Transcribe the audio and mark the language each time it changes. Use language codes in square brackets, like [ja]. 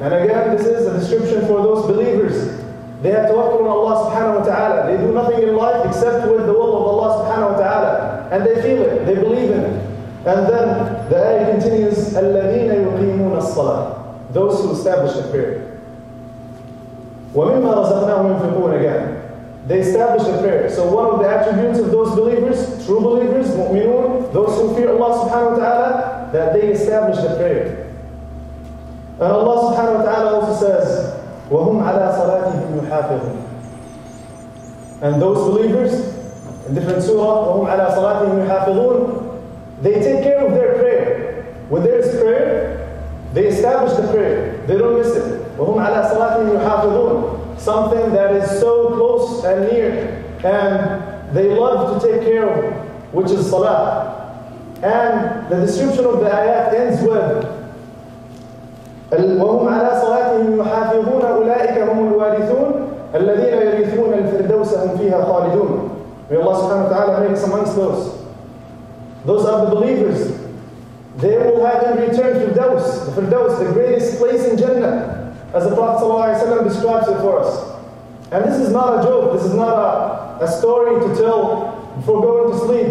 [en] And again, this is a description for those believers. They have tawakkul on Allah subhanahu wa ta'ala. They do nothing in life except with the will of Allah subhanahu wa ta'ala. And they feel it, they believe in it. And then the ayah continues, [ar] الَّذِينَ يُقِيمُونَ الصَّلَاةِ. [en] Those who establish the prayer. [ar] وَمِمَّا رَزَقْنَاهُمْ يُنْفِقُونَ [en] again. They establish a prayer. So one of the attributes of those believers, true believers, mu'minun, those who fear Allah subhanahu wa ta'ala, that they establish a prayer. And Allah subhanahu wa ta'ala also says, [ar] وَهُمْ عَلَىٰ صَلَاتِهِمْ يُحَافِظُونَ. [en] And those believers, in different surah, [ar] وَهُمْ عَلَىٰ صَلَاتِهِمْ يُحَافِظُونَ, [en] they take care of their prayer. When there is prayer, they establish the prayer. They don't miss it. [ar] وَهُمْ عَلَىٰ صَلَاتِهِمْ يُحَافِظُونَ. [en] Something that is so close and near, and they love to take care of, which is salah. And the description of the ayat ends with, [ar] وَهُمْ عَلَىٰ صَلَاتِهِمْ يُحَافِظُونَ أُولَٰئِكَ هُمُ الْوَارِثُونَ الَّذِينَ يَرِثُونَ الْفِرْدَوْسَ هُمْ فِيهَا خَالِدُونَ. [en] May Allah subhanahu wa ta'ala make us amongst those. Those are the believers. They will have in return Firdaus, the Firdaus, the greatest place in Jannah, as the Prophet sallallahu alayhi wa sallam describes it for us. And this is not a joke, this is not a story to tell before going to sleep.